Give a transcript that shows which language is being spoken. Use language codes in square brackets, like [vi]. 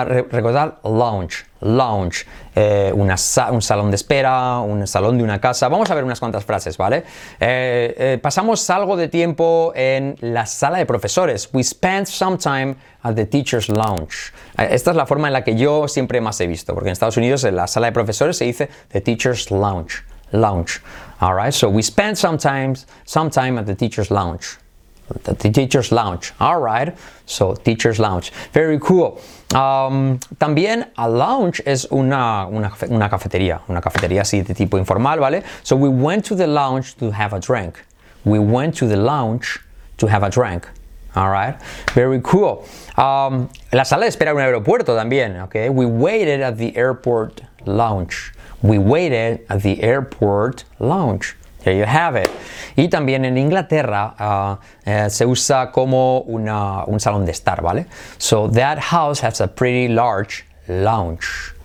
[es] Recordad, lounge, lounge, un salón de espera, un salón de una casa. Vamos a ver unas cuantas frases, ¿vale? Pasamos algo de tiempo en la sala de profesores. [en] We spent some time at the teacher's lounge. [es] Esta es la forma en la que yo siempre más he visto, porque en Estados Unidos en la sala de profesores se dice the teacher's lounge, lounge. [en] All right, so we spent some time at the teacher's lounge. The teacher's lounge. All right. So, teacher's lounge. Very cool. [es] También, a lounge es una cafetería. Una cafetería así de tipo informal, ¿vale? [en] So, we went to the lounge to have a drink. We went to the lounge to have a drink. All right. Very cool. [es] La sala de espera en un aeropuerto también, ¿ok? [en] We waited at the airport lounge. We waited at the airport lounge. There you have it. [es] Y también en Inglaterra se usa como un salón de estar, ¿vale? [en] So that house has a pretty large lounge.